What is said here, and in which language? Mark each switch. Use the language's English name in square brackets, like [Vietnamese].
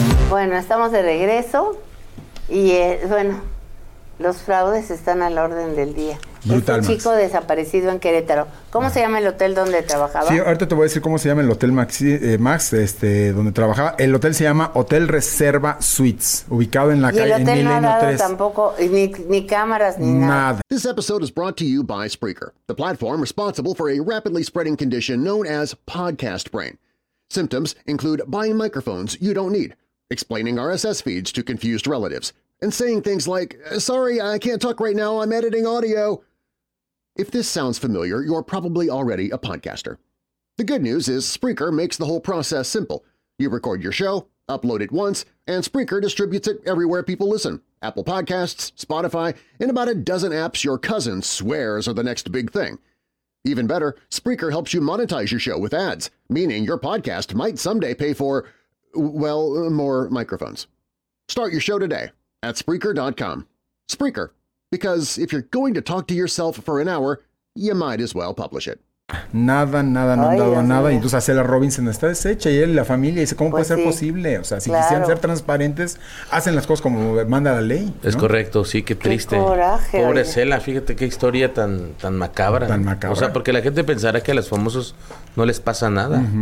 [Spanish] Bueno, estamos de regreso y bueno, los fraudes están a la orden del día. Brutal. Este chico desaparecido en Querétaro. ¿Cómo se llama el hotel donde trabajaba? Sí, ahorita te voy a decir cómo se llama el hotel Max, donde trabajaba. El hotel se llama Hotel Reserva Suites, ubicado en la calle Milenio 3. Y el hotel no ha dado tampoco ni cámaras ni nada. [English] This episode is brought to you by Spreaker, the platform responsible for a rapidly spreading condition known as podcast brain. Symptoms include buying microphones you don't need, explaining RSS feeds to confused relatives, and saying things like, sorry, I can't talk right now, I'm editing audio. If this sounds familiar, you're probably already a podcaster. The good news is Spreaker makes the whole process simple. You record your show, upload it once, and Spreaker distributes it everywhere people listen. Apple Podcasts, Spotify, and about a dozen apps your cousin swears are the next big thing. Even better, Spreaker helps you monetize your show with ads, meaning your podcast might someday pay for, well, more microphones. Start your show today at Spreaker.com. Spreaker, because if you're going to talk to yourself for an hour, you might as well publish it. [Spanish] Nada, no. Ay, han dado nada. Y entonces Acela Robinson está deshecha y él y la familia dice, ¿cómo pues puede ser posible? O sea, si quisieran ser transparentes, hacen las cosas como manda la ley, ¿no? Es correcto, sí, qué triste. Qué coraje. Pobre Acela, fíjate qué historia tan macabra. Tan macabra. O sea, porque la gente pensará que a los famosos no les pasa nada, uh-huh.